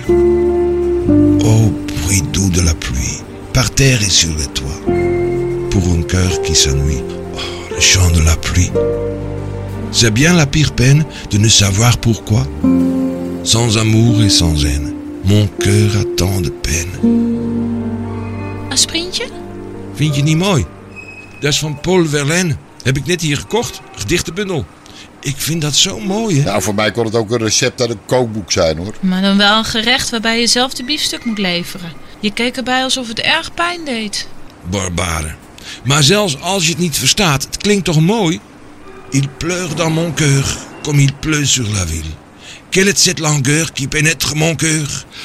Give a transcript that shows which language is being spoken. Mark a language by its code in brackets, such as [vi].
[fr] Oh, bruit doux de la pluie, par terre et sur les toits, pour un cœur qui s'ennuie. Oh, le chant de la pluie. C'est bien la pire peine de ne savoir pourquoi. Sans amour et sans haine, mon cœur a tant de peine. [nl] Un sprintje? Vind je niet mooi? Dat is van Paul Verlaine. Heb ik net hier gekocht, gedichtenbundel. Ik vind dat zo mooi, hè? Nou, voor mij kon het ook een recept uit een kookboek zijn, hoor. Maar dan wel een gerecht waarbij je zelf de biefstuk moet leveren. Je keek erbij alsof het erg pijn deed. [fr] Barbare. [nl] Maar zelfs als je het niet verstaat, het klinkt toch mooi? [fr] Il pleure dans mon cœur, comme il pleut sur la ville. Quelle est cette langueur qui pénètre mon cœur?